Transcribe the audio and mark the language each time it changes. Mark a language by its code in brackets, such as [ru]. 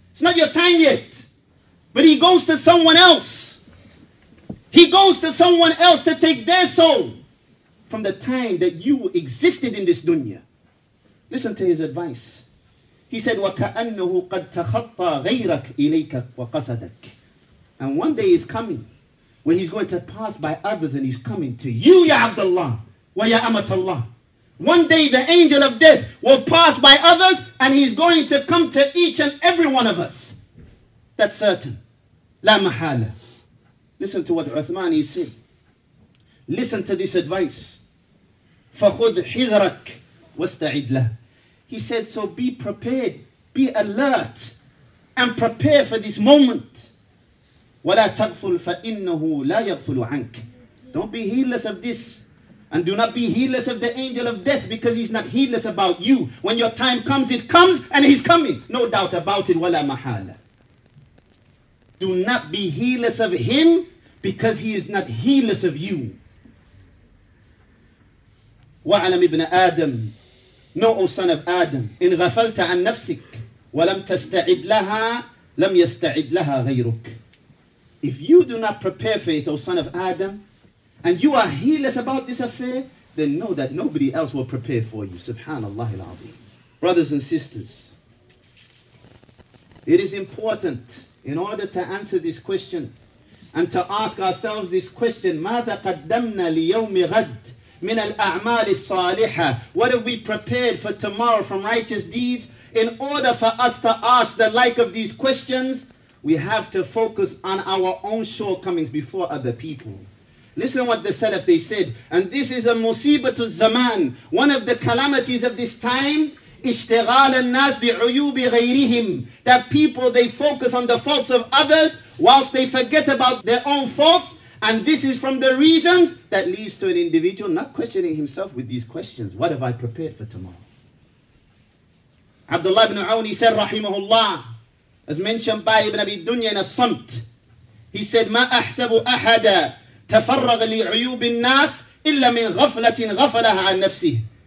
[en] It's not your time yet. But he goes to someone else. He goes to someone else to take their soul from the time that you existed in this dunya. Listen to his advice. He said, [ar] وَكَأَنَّهُ قَدْ تَخَطَّى غَيْرَكَ إِلَيْكَ وَقَصَدَكَ. [en] And one day is coming where he's going to pass by others and he's coming to you, Ya Abdullah, wa Ya Amatullah. One day the angel of death will pass by others and he's going to come to each and every one of us. That's certain. La mahala. Listen to what Uthman is saying. Listen to this advice. [ar] فَخُذْ حِذْرَكَ وَاسْتَعِدْ لَهُ. [en] He said, so be prepared, be alert, and prepare for this moment. [ar] وَلَا تَغْفُلْ فَإِنَّهُ لَا يَغْفُلُ عَنْكَ. [en] Don't be heedless of this. And do not be heedless of the angel of death, because he's not heedless about you. When your time comes, it comes, and he's coming. No doubt about it. [ar] وَلَا مَحَالَ. [en] Do not be heedless of him, because he is not heedless of you. [ar] وَعَلَمْ إِبْنَ آدَمْ. [en] Know, O son of Adam, [ar] إِنْ غَفَلْتَ عَنْ نَفْسِكَ وَلَمْ تَسْتَعِدْ لَهَا لَمْ يَسْتَعِدْ لَهَا غَيْرُكَ. [en] If you do not prepare for it, O son of Adam, and you are heedless about this affair, then know that nobody else will prepare for you. Subhanallah al-Azim. Brothers and sisters, it is important in order to answer this question and to ask ourselves this question, [ar] ماذا قدمنا ليوم غد من الأعمال الصالحة. [en] What have we prepared for tomorrow from righteous deeds? In order for us to ask the like of these questions, we have to focus on our own shortcomings before other people. Listen what the Salaf, they said. And this is a musibatu zaman. One of the calamities of this time. [ar] اشتغال الناس بعيوب غيرهم. [en] That people, they focus on the faults of others whilst they forget about their own faults. And this is from the reasons that leads to an individual not questioning himself with these questions. What have I prepared for tomorrow? Abdullah ibn Auni said, rahimahullah, as mentioned by Ibn Abi Dunya in a Samt, he said, [ar] ما أحسب أحدا تفرغ لعيوب الناس إلا من غفلة غفلها عن نفسه.